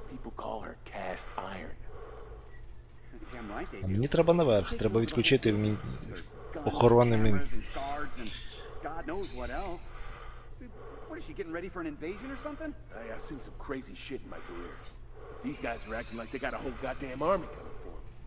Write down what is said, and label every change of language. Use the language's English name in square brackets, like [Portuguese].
[English] People call her cast iron. [Ukrainian] А мені треба наверх, треба відключити охорону мені. [English] God knows what else. What is she getting ready for an invasion or something? Hey, I've seen some crazy shit in my career. These guys are acting like they got a whole goddamn army coming for them.